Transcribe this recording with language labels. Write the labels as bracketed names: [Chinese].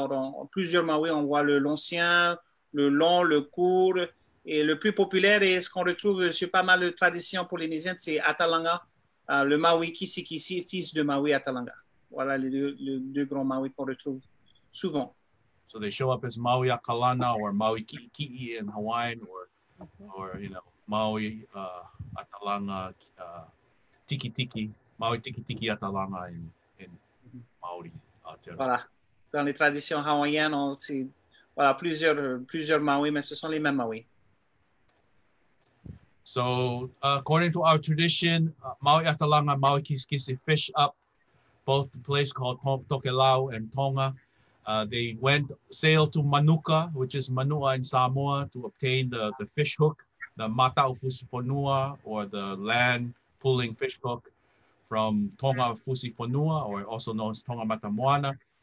[French] Alors, en plusieurs Maui, on voit l'ancien, le long, le court. Et le plus populaire, et ce qu'on retrouve sur pas mal de traditions polynésiennes, c'est Atalanga, le Maui Kisikisi, fils de Maui Atalanga. Voilà les deux grands Maui qu'on retrouve souvent. [English] So they show up as Maui Akalana or Maui Ki'i in Hawaiian or you know, Maui Atalanga, Tiki Tiki, Maui Tiki Tiki Atalanga in Maori. [French] Voilà, dans les traditions hawaïennes, on sait plusieurs Maui, mais ce sont les mêmes Maui. [English] So according to our tradition, Maui Atalanga, Maui Kisikisi fish up both the place called Tokelau and Tonga. They went sail to Manuka, which is Mānoa in Samoa, to obtain the fish hook, the Mata Ufusiponua, or the land pulling fish hook from Tonga Fusiponua, or also known as Tonga Mata Moana.